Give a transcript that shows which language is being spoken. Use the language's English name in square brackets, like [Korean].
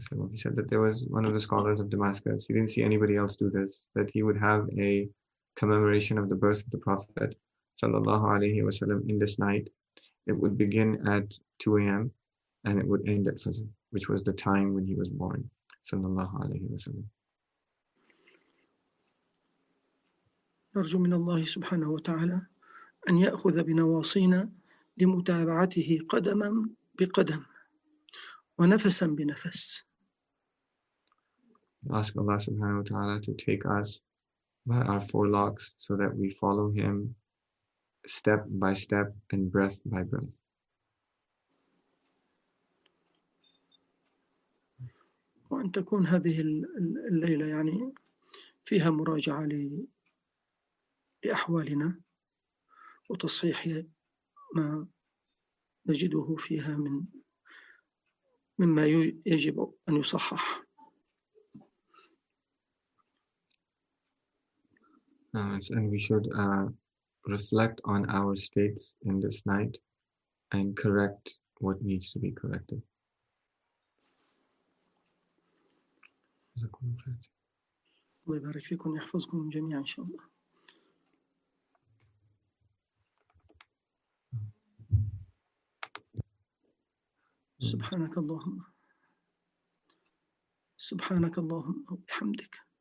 [English] He said that there was one of the scholars of Damascus, he didn't see anybody else do this, that he would have a commemoration of the birth of the Prophet sallallahu alayhi wa sallam in this night. It would begin at 2 a.m. and it would end at Fajr, which was the time when he was born sallallahu alayhi wa sallam. [Arabic] نرجو من الله سبحانه وتعالى أن يأخذ بنواصينا لمتابعته قدما بقدم ونفسا بنفس. [English] Ask Allah subhanahu wa ta'ala to take us by our forelocks so that we follow him step by step and breath by breath. [Arabic] وأن تكون هذه الليلة يعني فيها مراجعة لأحوالنا وتصحيح ما نجده فيها من مما يجب أن يصحح. [English] And we should reflect on our states in this night and correct what needs to be corrected. [Arabic] الله يبارك فيكم ويحفظكم جميعا إن شاء الله. سبحانك اللهم سبحانك اللهم وبحمدك